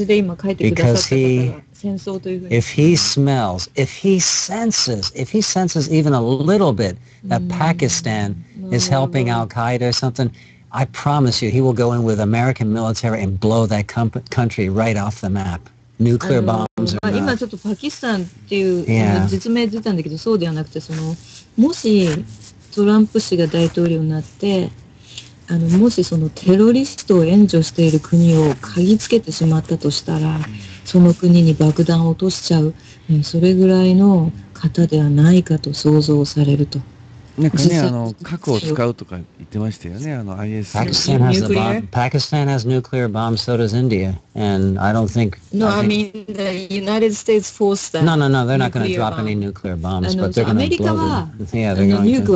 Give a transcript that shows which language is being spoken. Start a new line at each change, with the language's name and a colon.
English: if he senses even a little bit that Pakistan is helping Al-Qaeda or something, I promise you he will go in with American military and blow that country right off the map. Nuclear bombs
Japanese: まあ、今ちょっとパキスタンっていう、yeah. 実名出たんだけど、そうではなくて、そのもしトランプ氏が大統領になって、もしそのテロリストを援助している国を嗅ぎつけてしまったとしたら、その国に爆弾を落としちゃう、それぐらいの方ではないかと想像されると。なんかね、核を使うとか言ってましたよね、IS。
English: Pakistan has nuclear bombs, so does India. And I don't think... No, I mean, the United States forced that. No, they're not going to drop any nuclear bombs, but they're going to blow them.